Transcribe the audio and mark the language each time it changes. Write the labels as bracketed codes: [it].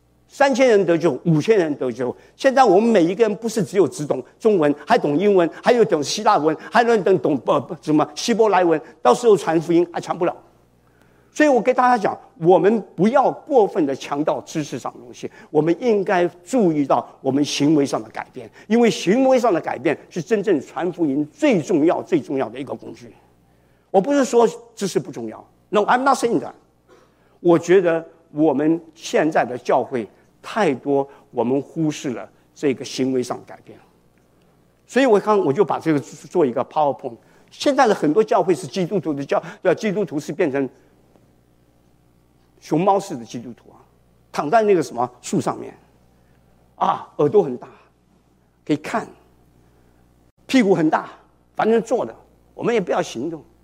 [zh] 3000人得救，5000人得救。现在我们每一个人不是只有只懂中文，还懂英文，还有懂希腊文，还能懂什么希伯来文，到时候传福音还传不了。所以我跟大家讲，我们不要过分的强调知识上的东西，我们应该注意到我们行为上的改变，因为行为上的改变是真正传福音最重要最重要的一个工具。我不是说知识不重要， [en] No, I'm not saying that。 [zh] 我觉得我们现在的教会太多我们忽视了这个行为上的改变。所以我看我就把这个做一个 PowerPoint。现在的很多教会是基督徒的教，基督徒是变成熊猫式的基督徒啊，躺在那个什么树上面啊，耳朵很大可以看，屁股很大，反正坐的，我们也不要行动。